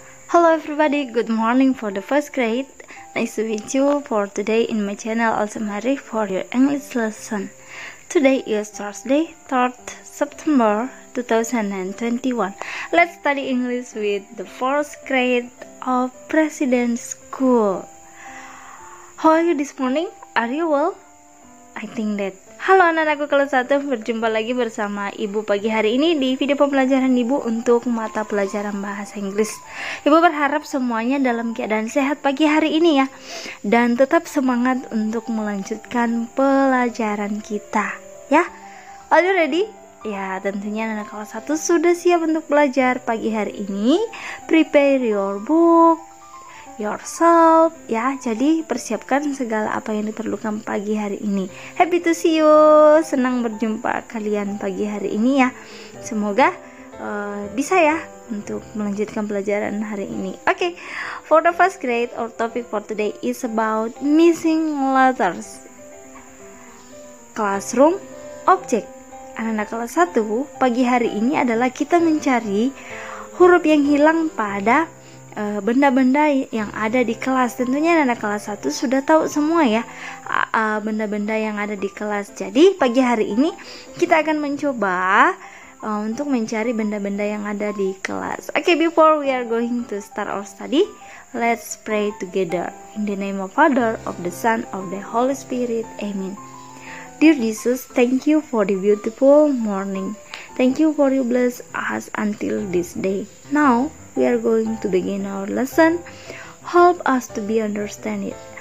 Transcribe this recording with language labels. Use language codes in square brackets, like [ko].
[en] Hello everybody, good morning for the first grade. Nice to meet you for today in my channel Also Marie for your English lesson. Today is Thursday, 3rd September 2021. Let's study English with the first grade of President School. How are you this morning? Are you well? I think that. [id] Halo anak-anakku kelas 1, berjumpa lagi bersama Ibu pagi hari ini di video pembelajaran Ibu untuk mata pelajaran bahasa Inggris. Ibu berharap semuanya dalam keadaan sehat pagi hari ini ya, dan tetap semangat untuk melanjutkan pelajaran kita ya. [en] Are you ready? [id] Ya, tentunya anak kelas 1 sudah siap untuk belajar pagi hari ini. [en] Prepare your book yourself [id] ya, jadi persiapkan segala apa yang diperlukan pagi hari ini. [en] Happy to see you, [id] senang berjumpa kalian pagi hari ini ya. Semoga bisa ya untuk melanjutkan pelajaran hari ini. [en] Okay, for the first grade, our topic for today is about missing letters. Classroom object. [id] Anak-anak kelas 1, pagi hari ini adalah kita mencari huruf yang hilang pada benda-benda yang ada di kelas. Tentunya anak kelas 1 sudah tahu semua ya benda-benda yang ada di kelas. Jadi pagi hari ini kita akan mencoba untuk mencari benda-benda yang ada di kelas. [en] Okay, before we are going to start our study, let's pray together. In the name of Father, of the Son, of the Holy Spirit, Amen. Dear Jesus, thank you for the beautiful morning. Thank you for you bless us until this day. Now we are going to begin our lesson. Help us to be understand it.